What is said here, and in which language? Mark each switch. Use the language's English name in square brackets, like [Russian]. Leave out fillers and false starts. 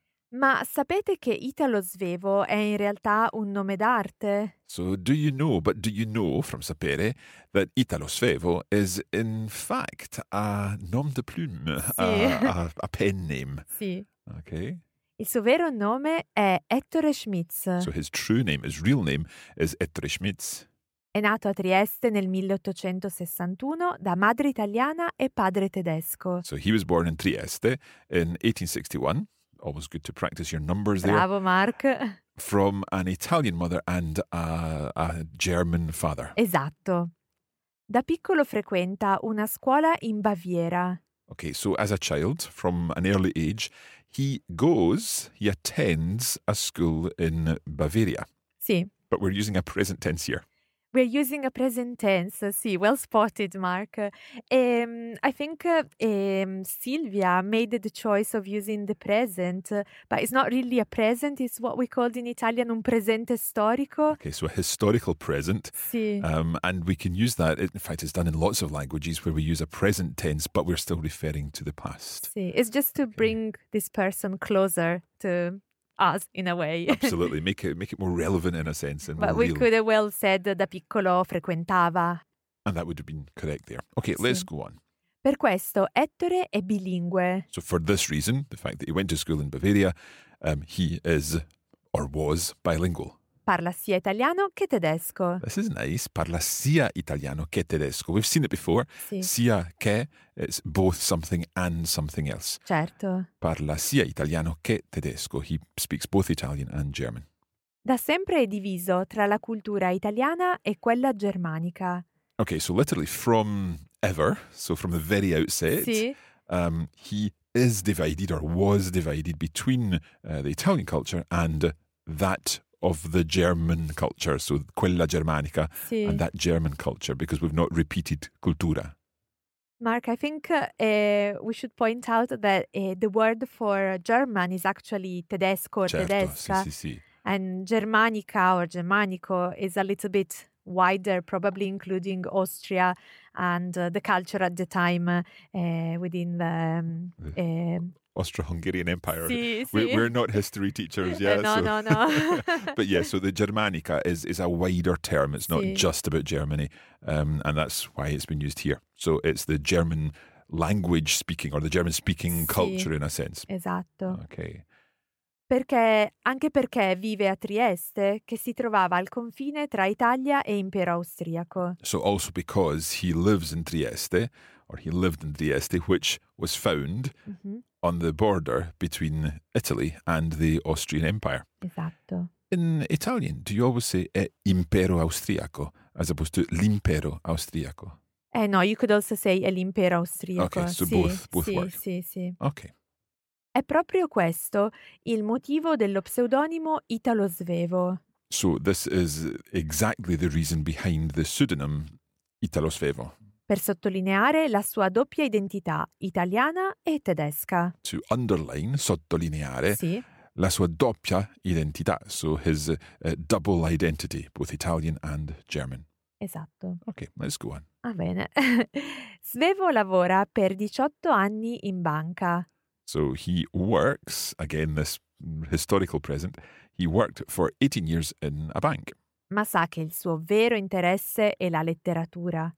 [Italian] Ma sapete che Italo Svevo è in realtà un nome d'arte? [English] So do you know, but do you know from sapere that Italo Svevo is in fact a nom de plume, [Italian] sì. [English] a pen name? [Italian] Sì. [English] Ok. [Italian] Il suo vero nome è Ettore Schmitz. [English] So his true name, his real name is Ettore Schmitz. [Italian] È nato a Trieste nel 1861 da madre italiana e padre tedesco. [English] So he was born in Trieste in 1861. Always good to practice your numbers [Italian] Bravo, [English] there. [Italian] Bravo, Mark. [English] From an Italian mother and a German father. [Italian] Esatto. Da piccolo frequenta una scuola in Baviera. [English] Okay, so as a child, from an early age, he attends a school in Bavaria. [Italian] Sì. [English] But we're using a present tense here. We're using a present tense, sì, well spotted, Mark. I think Silvia made the choice of using the present, but it's not really a present, it's what we called in Italian [Italian] un presente storico. [English] Okay, so a historical present. [Italian] Sì. [English] And we can use that, in fact it's done in lots of languages where we use a present tense, but we're still referring to the past. Sì, it's just to bring this person closer to us, in a way. Absolutely. Make it more relevant, in a sense. And but more we real. Could have well said, [Italian] da piccolo frequentava. [English] And that would have been correct there. Okay, sì. Let's go on. [Italian] Per questo, Ettore è bilingue. [English] So for this reason, the fact that he went to school in Bavaria, he is, or was, bilingual. [Italian] Parla sia italiano che tedesco. [English] This is nice. [Italian] Parla sia italiano che tedesco. [English] We've seen it before. [Italian] Sì. [English] Sia che, it's both something and something else. [Italian] Certo. Parla sia italiano che tedesco. [English] He speaks both Italian and German. [Italian] Da sempre è diviso tra la cultura italiana e quella germanica. [English] Okay, so literally from ever, so from the very outset, [Italian] sì. [English] He is divided or was divided between the Italian culture and that of the German culture, so [Italian] quella germanica, sì. [English] And that German culture, because we've not repeated cultura. Mark, I think we should point out that the word for German is actually tedesco or [Italian] certo, tedesca, sì, sì, sì. [English] And germanica or germanico is a little bit wider, probably including Austria and the culture at the time within the... Austro-Hungarian Empire. [Italian] Sì, sì. [English] We're not history teachers, yeah. No. But yeah, so the Germanica is a wider term. It's not [Italian] sì. [English] Just about Germany. And that's why it's been used here. So it's the German language speaking or the German speaking Culture in a sense. [Italian] Esatto. [English] Okay. [Italian] Perché, anche perché vive a Trieste, che si trovava al confine tra Italia e Impero Austriaco. [English] So also because he lives in Trieste, or he lived in Trieste, which was found mm-hmm. on the border between Italy and the Austrian Empire. [Italian] Esatto. [English] In Italian, do you always say Impero Austriaco, as opposed to l'Impero Austriaco? No, you could also say l'Impero Austriaco. Okay, so [Italian] sì, [English] both [Italian] sì, [English] work. [Italian] Sì, sì. [English] Okay. [Italian] È proprio questo il motivo dello pseudonimo Italo Svevo. [English] So this is exactly the reason behind the pseudonym Italo Svevo. [Italian] Per sottolineare la sua doppia identità, italiana e tedesca. [English] To underline, sottolineare, [Italian] sì. La sua doppia identità, [English] so his double identity, both Italian and German. [Italian] Esatto. [English] Ok, let's go on. [Italian] Va bene. Svevo lavora per 18 anni in banca. [English] So he works, again this historical present, he worked for 18 years in a bank. [Italian] Ma sa che il suo vero interesse è la letteratura.